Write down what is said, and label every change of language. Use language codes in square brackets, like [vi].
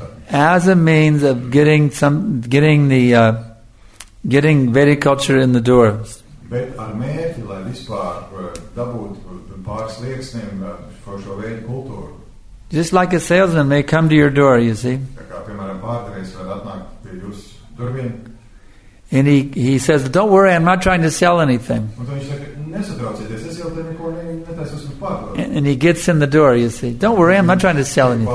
[en] As a means of getting Vedic culture in the doors. [lv] Bet ar mērķi, lai vispār dabūt pāris lieksniem par šo veidu kultūru. [en] Just like a salesman may come to your door, you see. [lv] Tā kā, piemēram, pārdevējs var atnākt pie jūsu durvīm. [en] And he says, don't worry, I'm not trying to sell anything. [lv] Un tad viņš saka, nesatraucieties, es jau te neko netaisu pārdot. [en] And he gets in the door, you see. Don't worry, I'm not trying to sell anything.